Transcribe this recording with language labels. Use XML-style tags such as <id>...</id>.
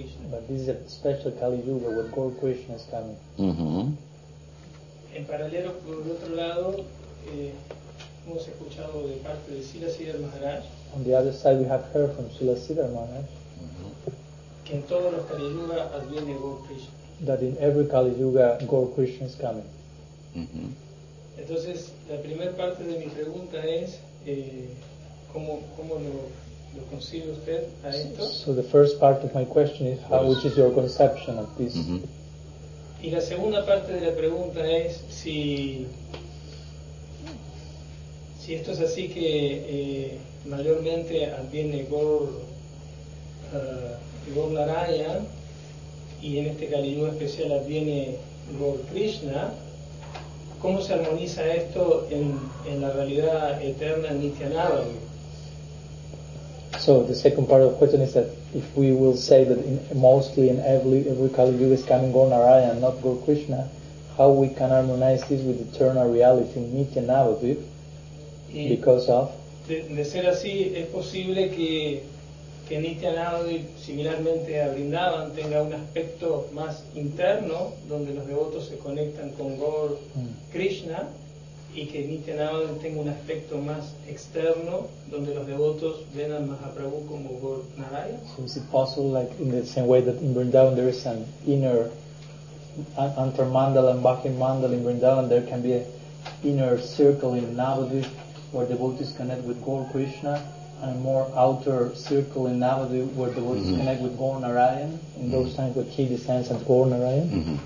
<en>But this is a special Kali Yuga where Gaur Krishna is coming.</en> <es>En paralelo, por otro lado, hemos escuchado de parte de Srila Sridhar Maharaj.</es> <en>On the other side, we have heard from Srila Sridhar Maharaj.</en> <es>Que en todos los Kali Yuga adviene Gaur Krishna.</es> <en>That in every Kali Yuga, Gaur Krishna is coming.</en> <es>Entonces, la primera parte de mi pregunta es cómo lo</es> <en>So the first part of my question is how, which is your conception of this?</en> <es>Y la segunda parte de la pregunta es si esto es así que mayormente adviene Gaur Narayan y en este Kali Yuga especial adviene Gaur Krishna, ¿cómo se armoniza esto en la realidad eterna Nityananda?</es> <en>So the second part of the question is that if we will say that mostly in every Kali Yuga is coming Gaur Narayan, not Gaur Krishna, how we can harmonize this with eternal reality in Nityanavadvip because of?</en> <es>De ser así, ¿es posible que Nityanavadvip similarmente a Vrindavan tenga un aspecto más interno donde los devotos se conectan con Gaur Krishna y que Nityananda tenga un aspecto más externo donde los devotos ven a Mahaprabhu como Gaur Narayan?</es> <en>So is it possible, like in the same way that in Vrindavan there is an inner antarmandala and bahir mandala, in Vrindavan there can be an inner circle in Navadvip where devotees connect with Gaur Krishna, and a more outer circle in Navadvip where devotees connect with Gaur Narayan in those times when he descends at Gaur Narayan?</en>